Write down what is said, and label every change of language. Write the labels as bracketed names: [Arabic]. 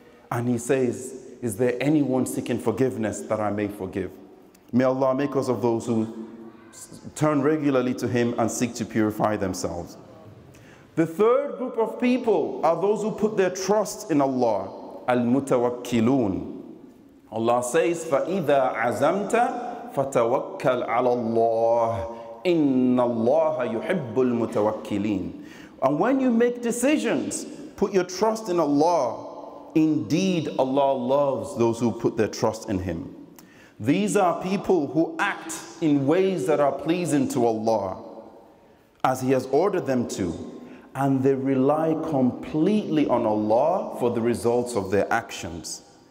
[English] And He says, "Is there anyone seeking forgiveness that I may forgive?" May Allah make us of those who turn regularly to Him and seek to purify themselves. The third group of people are those who put their trust in Allah, al-mutawakkilun. Allah says, [Arabic] فَإِذَا عَزَمْتَ فَتَوَكَّلْ عَلَى اللَّهِ إِنَّ اللَّهَ يُحِبُّ الْمُتَوَكِّلِينَ. [English] And when you make decisions, put your trust in Allah. Indeed, Allah loves those who put their trust in Him. These are people who act in ways that are pleasing to Allah, as He has ordered them to, and they rely completely on Allah for the results of their actions.